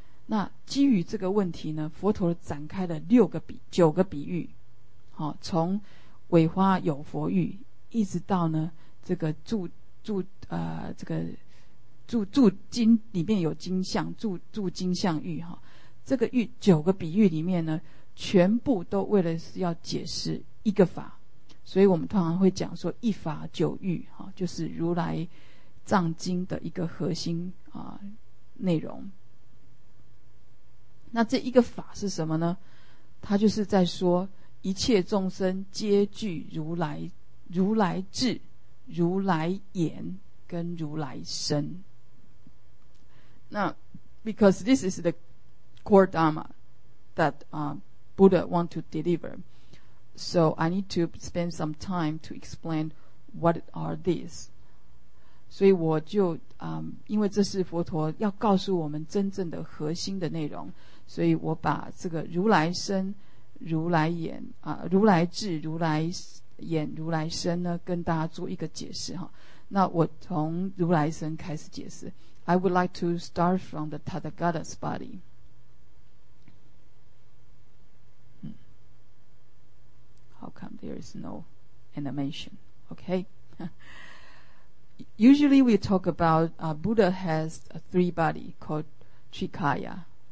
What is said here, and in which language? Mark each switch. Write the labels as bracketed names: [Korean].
[Chinese] 那基于这个问题呢，佛陀展开了九个比喻，从尾花有佛喻一直到呢这个住经里面有金像，住金像喻、这个喻九个比喻里面呢全部都为了是要解释一个法，所以我们通常会讲说一法九喻，就是如来藏经的一个核心内容。那这一个法是什么呢？它就是在说一切众生皆具如来，如来智、如来眼跟如来身。 [English] 那 because this is the core dharma that Buddha want to deliver, so I need to spend some time to explain what are these. [Chinese] 所以我就因为这是佛陀要告诉我们真正的核心的内容，所以我把这个如来身、如来眼如来智、如来眼、如来身呢，跟大家做一个解释哈。那我从如来身开始解释。 [English] I would like to start from the Tathagata's body. How come there is no animation? Okay. Usually we talk about Buddha has three body called Trikaya.